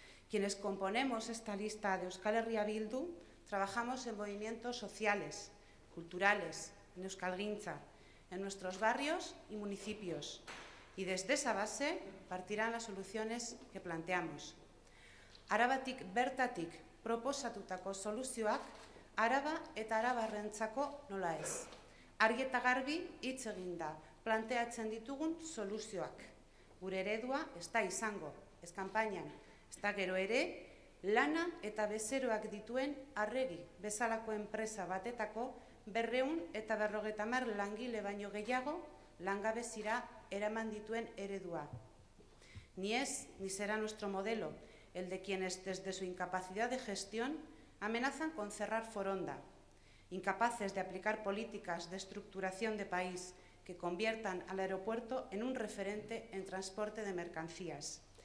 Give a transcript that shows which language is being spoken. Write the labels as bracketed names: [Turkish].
[Spanish] Quienes componemos esta lista de Euskal Herria Bildu, trabajamos en movimientos sociales, culturales, en Euskalgintza, en nuestros barrios y municipios. Y desde esa base partirán las soluciones que planteamos. [Basque] Arabatik bertatik proposatutako soluzioak araba eta arabarrentzako nola ez. Argi eta garbi hitz eginda planteatzen ditugun soluzioak. Gure eredua ez da izango, ez kanpainan, ez da gero ere, lana eta bezeroak dituen arregi bezalako enpresa batetako 250 langile baino gehiago langabezira eraman dituen eredua. [Spanish] Ni es ni será nuestro modelo el de quienes desde su incapacidad de gestión amenazan con cerrar Foronda, incapaces de aplicar políticas de estructuración de país que conviertan al aeropuerto en un referente en transporte de mercancías.